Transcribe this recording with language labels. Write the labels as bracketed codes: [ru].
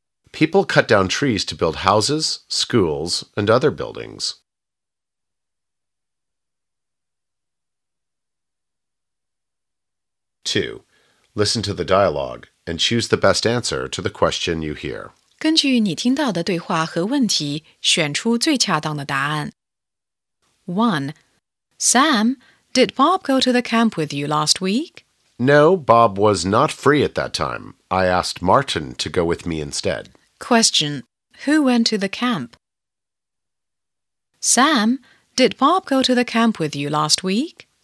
[en] People cut down trees to build houses, schools, and other buildings. 2. Listen to the dialogue. And choose the best answer to the question you hear. [zh] 根据你听到的对话和问题，选出最恰当的答案。 [en] 1. Sam, did Bob go to the camp with you last week? No, Bob was not free at that time. I asked Martin to go with me instead. Question. Who went to the camp? Sam, did Bob go to the camp with you last week?